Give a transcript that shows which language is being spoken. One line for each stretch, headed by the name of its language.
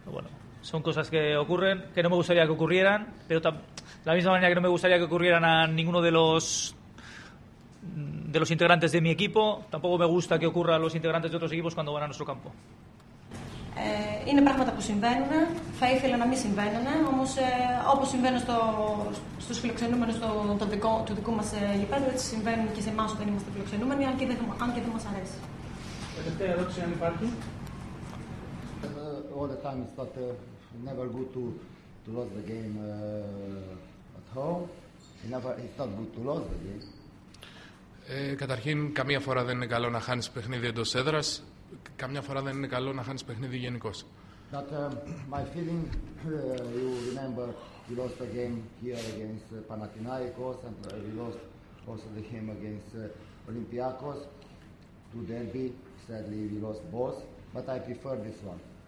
Spanish: Bueno, son cosas que ocurren, que no me gustaría que ocurrieran, pero de la misma manera que no me gustaría que ocurrieran a ninguno de los integrantes de mi equipo, tampoco me gusta que ocurra a los integrantes de otros equipos cuando van a nuestro campo.
Greek: Είναι πράγματα που συμβαίνουν, θα ήθελα να μην συμβαίνουν, όμως όπως συμβαίνουν στους φιλοξενούμενους του δικού μας γηπέδου, έτσι συμβαίνουν και σε εμάς όταν είμαστε φιλοξενούμενοι, αν και δεν μας αρέσει. Τελευταία ερώτηση, αν υπάρχει.
English: All the time is that never good to lose the game at home. It's not good to lose the game.
Greek: Καταρχήν, καμία φορά δεν είναι καλό να χάνεις παιχνίδι εντός έδρας. Καμιά φορά δεν είναι καλό να χάνεις παιχνίδι γενικώς.
English: But my feeling, you remember, you lost the game here against Panathinaikos and you lost also the game against Olympiakos. To derby, sadly, we lost both, but I prefer this one.